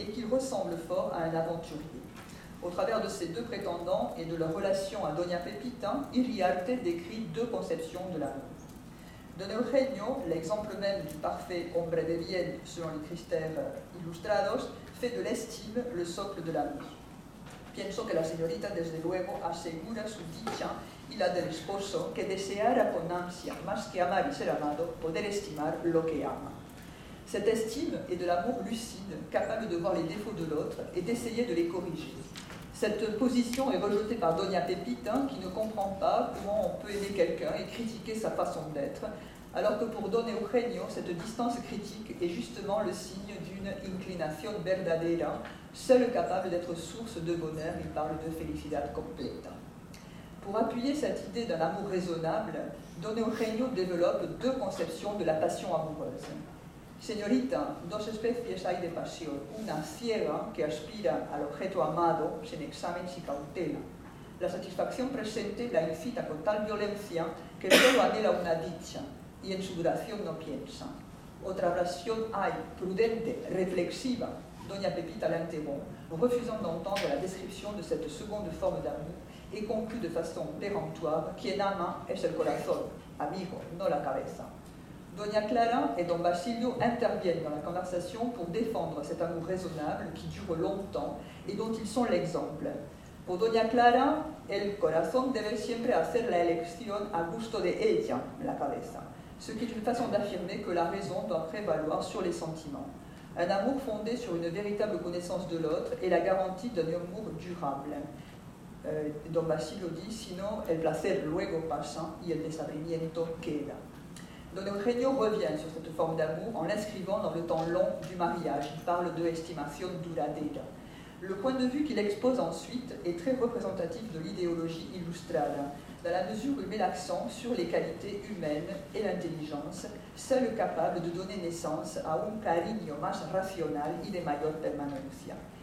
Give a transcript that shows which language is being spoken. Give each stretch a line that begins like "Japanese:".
French: et qu'il ressemble fort à un aventurier. Au travers de ces deux prétendants et de leur relation à Doña Pepita, Iriarte décrit deux conceptions de l'amour. Don Eugenio, l'exemple même du parfait
Spanish: hombre de bien
French: selon les critères illustrados, fait de l'estime le socle de l'amour.
Spanish: Pienso que la señorita desde luego asegura su dicha y la del esposo que deseara con ansia, más que amar y ser amado, poder estimar lo que ama.
French: Cette estime est de l'amour lucide, capable de voir les défauts de l'autre et d'essayer de les corriger. Cette position est rejetée par Doña Pepita, qui ne comprend pas comment on peut aimer quelqu'un et critiquer sa façon d'être, alors que pour Don Eugenio, cette distance critique est justement le signe d'une
Spanish: inclinación verdadera,
French: seule capable d'être source de bonheur, il parle de
Spanish: felicidad completa.
French: Pour appuyer cette idée d'un amour raisonnable, Don Eugenio développe deux conceptions de la passion amoureuse.
Spanish: Señorita, dos especies hay de pasión, una ciega que aspira al objeto amado sin examen y cautela. La satisfacción presente la incita con tal violencia que solo anhela una dicha y en su duración no piensa. Otra pasión hay, prudente, reflexiva,
French: Doña Pepita la interrompt, refusant d'entendre la description de cette seconde forme d'amour et conclut de façon péremptoire
Spanish: quien ama es el corazón, amigo, no la cabeza.
French: Doña Clara et Don Basilio interviennent dans la conversation pour défendre cet amour raisonnable qui dure longtemps et dont ils sont l'exemple. Pour Doña Clara,
Spanish: el corazón debe siempre hacer la elección a gusto de ella, la cabeza,
French: ce qui est une façon d'affirmer que la raison doit prévaloir sur les sentiments. Un amour fondé sur une véritable connaissance de l'autre est la garantie d'un amour durable. Don Basilio dit «
Spanish: sino el placer luego pasa y el desabrimiento queda ».
French: Don Eugenio revient sur cette forme d'amour en l'inscrivant dans le temps long du mariage. Il parle de
Spanish: estimación duradera.
French: Le point de vue qu'il expose ensuite est très représentatif de l'idéologie illustrada, dans la mesure où il met l'accent sur les qualités humaines et l'intelligence, seules capables de donner naissance à un
Spanish: cariño más racional y de mayor permanencia.